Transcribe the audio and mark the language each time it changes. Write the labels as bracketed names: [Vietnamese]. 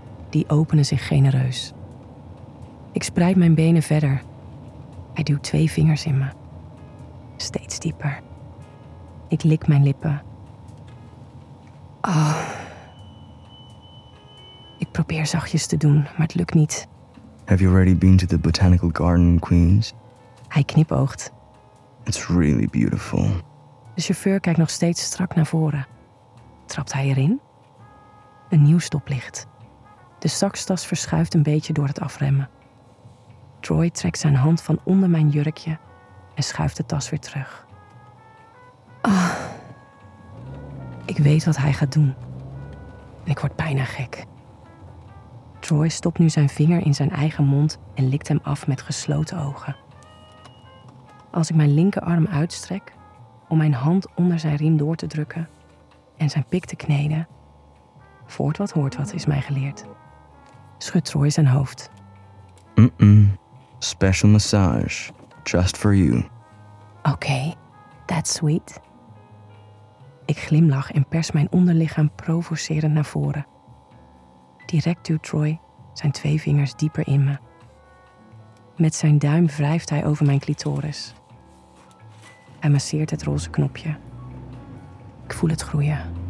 [Dutch] Die openen zich genereus. Ik spreid mijn benen verder. Hij duwt twee vingers in me. Steeds dieper. Ik lik mijn lippen. Oh. Ik probeer zachtjes te doen, maar het lukt niet. [English] Have you already been to the Botanical Garden in Queens? [Dutch] Hij knipoogt. [English] It's really beautiful. [Dutch] De chauffeur kijkt nog steeds strak naar voren. Trapt hij erin? Een nieuw stoplicht. De zakstas verschuift een beetje door het afremmen. Troy trekt zijn hand van onder mijn jurkje en schuift de tas weer terug. Oh. Ik weet wat hij gaat doen. En ik word bijna gek. Troy stopt nu zijn vinger in zijn eigen mond en likt hem af met gesloten ogen. Als ik mijn linkerarm uitstrek om mijn hand onder zijn riem door te drukken en zijn pik te kneden, voort wat hoort wat is mij geleerd, schudt Troy zijn hoofd. [English] Special massage, just for you. Okay, that's sweet. [Dutch] Ik glimlach en pers mijn onderlichaam provocerend naar voren. Direct duwt Troy zijn twee vingers dieper in me. Met zijn duim wrijft hij over mijn clitoris. Hij masseert het roze knopje. Ik voel het groeien.